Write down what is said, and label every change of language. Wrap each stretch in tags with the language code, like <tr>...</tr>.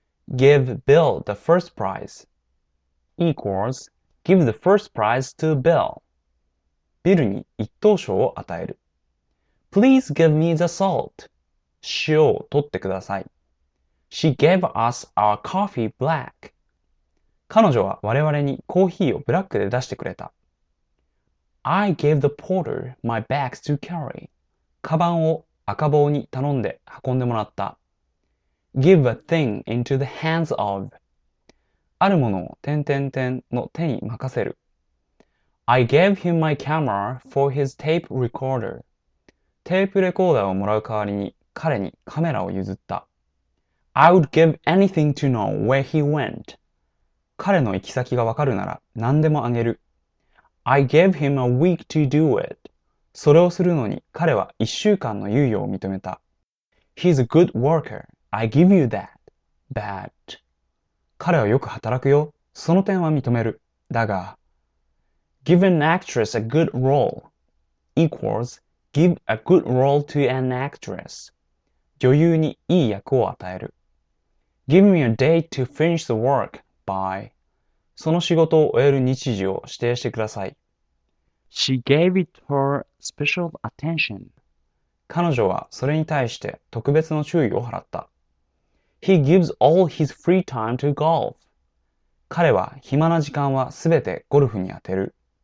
<en>Give Bill the first prize. Equals, give the first prize to Bill.</en> <ja>ビルに一等賞を与える。</ja> <en>Please give me the salt.</en> <ja>塩を取ってください。</ja> <en>She gave us our coffee black.</en> <ja>彼女は我々にコーヒーをブラックで出してくれた。</ja> <en>I gave the porter my bags to carry.</en> <ja>カバンを赤棒に頼んで運んでもらった。</ja> <en>Give a thing into the hands of.</en> <ja>あるものを点々点の手に任せる。</ja> <en>I gave him my camera for his tape recorder.</en> <ja>テープレコーダーをもらう代わりに彼にカメラを譲った。</ja> <en>I would give anything to know where he went.</en> <ja>彼の行き先がわかるなら何でもあげる。</ja> <en>I gave him a week to do it.</en> <ja>それをするのに彼は一週間の猶予を認めた。</ja> <en>He's a good worker. I give you that. But.</en> <ja>彼はよく働くよ。その点は認める。だが。</ja> <en>Give an actress a good role. Equals, give a good role to an actress.</en> <ja>女優にいい役を与える。</ja> <en>Give me a day to finish the work by.</en> <ja>その仕事を終える日時を指定してください。</ja> <en>She gave it her special attention.</en> <ja>彼女はそれに対して特別の注意を払った。</ja> <en>He gives all his free time to golf.</en> <ja>彼は暇な時間はすべてゴルフに当てる。</ja>